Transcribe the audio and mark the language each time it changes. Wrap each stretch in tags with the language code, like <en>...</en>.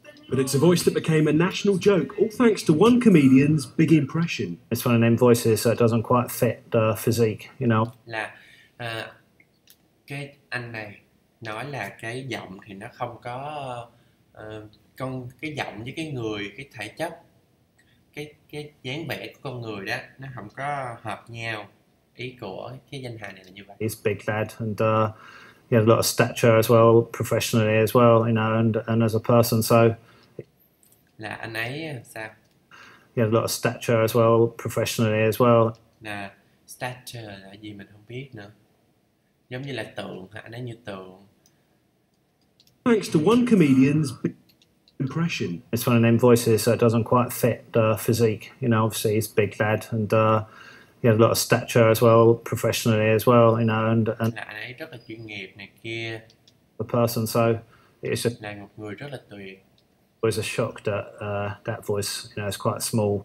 <en>But it's a voice that became a national joke, all thanks to one comedian's big impression. It's one of them voices that doesn't quite fit the physique, you know.</en> <vi>Là cái anh này nói là cái giọng thì nó không có con cái giọng với cái người, cái thể chất, cái dáng vẻ của con người đó nó không có hợp nhau. Ý của cái danh hài này là như vậy.</vi> <en>He's big lad and he had a lot of stature as well, professionally as well, you know, and as a person, so...</en> <vi>Là anh ấy sao?</vi> <en>He had a lot of stature as well, professionally as well.</en> <vi>Là stature là gì mình không biết nữa. Giống như là tượng, anh ấy như tượng.</vi> <en>Thanks to one comedian's impression. It's one of them voices that doesn't quite fit the physique, you know, obviously he's big lad and... He had a lot of stature as well, professionally as well, you know, and</en> <vi>là anh ấy rất là chuyên nghiệp này kia.</vi> <en>The person, so it's just</en> <vi>là một người rất là tuyệt.</vi> <en>It was a shock that that voice, you know, is quite small.</en>